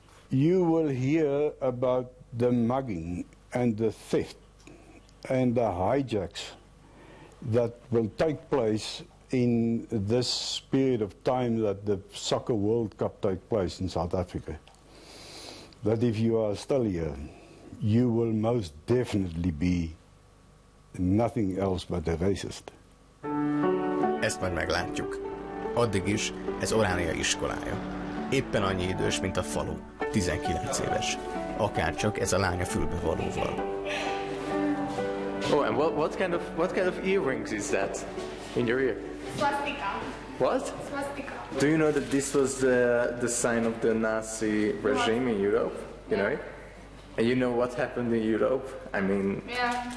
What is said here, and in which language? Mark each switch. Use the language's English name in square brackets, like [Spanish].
[English] You will hear about the mugging and the theft and the hijacks that will take place in this period of time that the Soccer World Cup takes place in South Africa. That if you are still here, you will most definitely be nothing else but a racist. [Hungarian] Ezt majd meglátjuk. Addig is ez Oránia iskolája. Éppen annyi idős, mint a falu, 19 éves. Akárcsak ez a lánya fülbevalóval. [English] Oh, and what kind of earrings is that in your ear? Swastika. What? Swastika. Do you know that this was the sign of the Nazi regime in Europe? You yeah. know it? And you know what happened in Europe? I mean, yeah.